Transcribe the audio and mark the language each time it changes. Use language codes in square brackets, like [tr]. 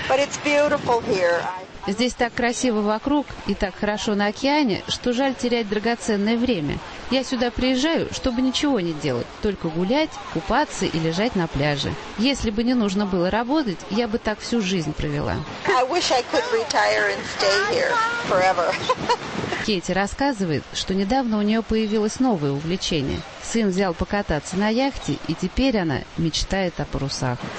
[en] But it's beautiful here. [ru] Здесь так красиво вокруг и так хорошо на океане, что жаль терять драгоценное время. Я сюда приезжаю, чтобы ничего не делать, только гулять, купаться и лежать на пляже. Если бы не нужно было работать, я бы так всю жизнь провела. [en] I wish I could retire and stay here forever. [ru] Кэти рассказывает, что недавно у нее появилось новое увлечение. Сын взял покататься на яхте, и теперь она мечтает о парусах.